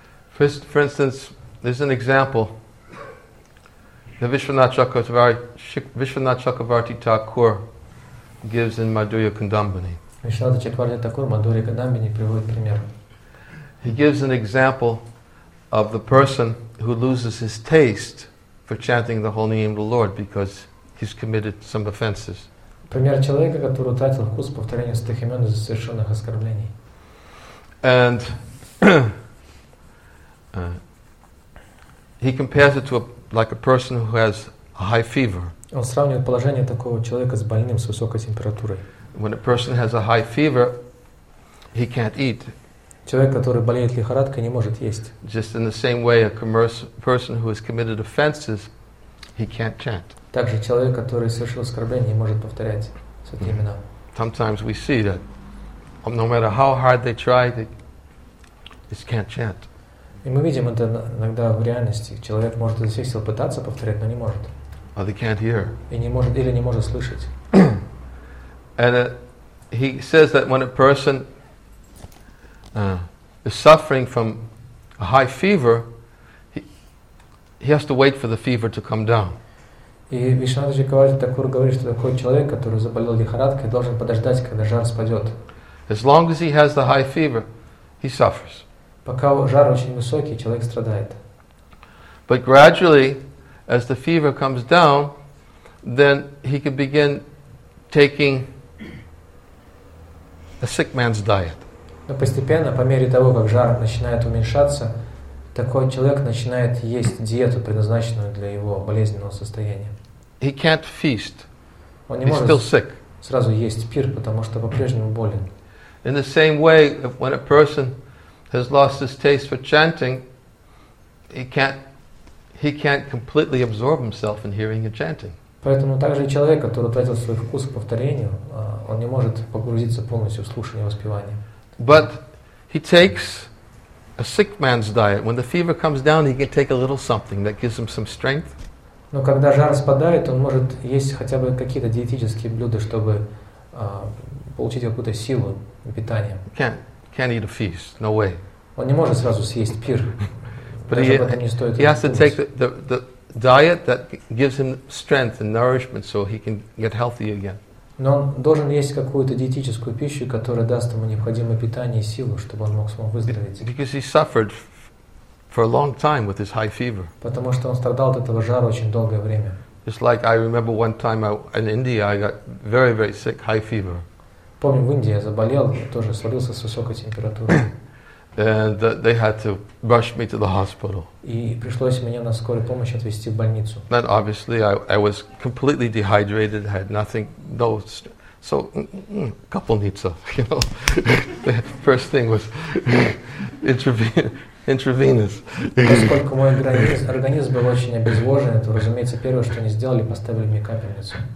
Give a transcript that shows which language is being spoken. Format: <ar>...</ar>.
<en>For instance, there's an example. The Vishwanath Chakravarti Thakur gives in Madhurya Kadambini.</en> <ru>Vishwanath Chakravarti Thakur Madhurya Kadambini приводит пример.</ru> <en>He gives an example of the person who loses his taste for chanting the holy name of the Lord because he's committed some offenses.</en> <ru>Пример человека, который утратил вкус повторения святых имен из-за совершенных оскорблений.</ru> <en>And he compares it to like a person who has a high fever.</en> <ru>Он сравнивает положение такого человека с больным с высокой температурой.</ru> <en>When a person has a high fever, he can't eat.</en> <ru>Человек, который болеет лихорадкой, не может есть.</ru> <en>Just in the same way, a person who has committed offenses, he can't chant.</en> <ru>Также человек, который совершил оскорбление, не может повторять святые имена.</ru> <en>Sometimes we see that, no matter how hard they try, they just can't chant.</en> <ru>И мы видим это иногда в реальности. Человек может изо всех сил пытаться повторять, но не может.</ru> <en>Or they can't hear.</en> <ru>И не может, или не может слышать.</ru> <en>And he says that when a person is suffering from a high fever, he has to wait for the fever to come down.</en> <ru>И Вишванатха Чакраварти Такур говорит, что такой человек, который заболел лихорадкой, должен подождать, когда жар спадет.</ru> <en>As long as he has the high fever, he suffers.</en> <ru>Пока жар очень высокий, человек страдает.</ru> <en>But gradually, as the fever comes down, then he can begin taking a sick man's diet.</en> <ru>Но постепенно, по мере того, как жар начинает уменьшаться, такой человек начинает есть диету, предназначенную для его болезненного состояния.</ru> <en>He can't feast.</en> <ru>Он не может сразу есть пир, потому что по-прежнему болен.</ru> <en>In the same way, when a person has lost his taste for chanting, he can't completely absorb himself in hearing a chanting.</en> <ru>Поэтому также человек, который утратил свой вкус к повторению, он не может погрузиться полностью в слушание и воспевание.</ru> <en>But he takes a sick man's diet. When the fever comes down, he can take a little something that gives him some strength.</en> <ru>Но когда жар спадает, он может есть хотя бы какие-то диетические блюда, чтобы получить какую-то силу питания.</ru> <en>Can't eat a feast, no way.</en> <ru>Он не может сразу съесть пир.</ru> <en>But</en> <ru>даже об этом не стоит.</ru> <en>He has to take the diet that gives him strength and nourishment so he can get healthy again.</en> <ru>Но он должен есть какую-то диетическую пищу, которая даст ему необходимое питание и силу, чтобы он мог снова выздороветь.</ru> <en>Because he suffered for a long time with his high fever.</en> <ru>Потому что он страдал от этого жара очень долгое время.</ru> <en>Just like I remember one time in India I got very, very sick, high fever.</en> <ru>Помню, в Индии я заболел, тоже свалился с высокой температурой.</ru> <en>And they had to rush me to the hospital.</en> <ru>И пришлось меня на скорой помощи отвезти в больницу.</ru> <en>Then obviously I was completely dehydrated, had nothing, no, so капельница, you know. The first thing was intravenous.</en> <ru>Поскольку мой организм был очень обезвожен, то, разумеется, первое, что они сделали, поставили мне капельницу.</ru>